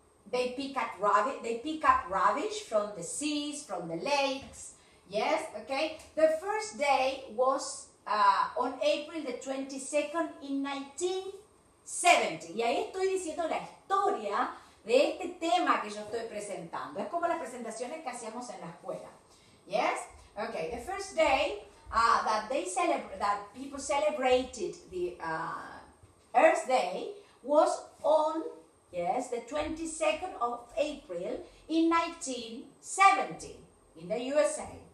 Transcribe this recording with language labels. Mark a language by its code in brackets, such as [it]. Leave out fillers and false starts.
[en] They pick up rubbish. They pick up rubbish from the seas, from the lakes. Yes, okay. The first day was on April the 22nd in 1970. [es] Y ahí estoy diciendo la historia de este tema que yo estoy presentando. Es como las presentaciones que hacíamos en la escuela. [en] Yes, okay. The first day that they that people celebrated the Earth Day was on, yes, the 22nd of April in 1970 in the USA.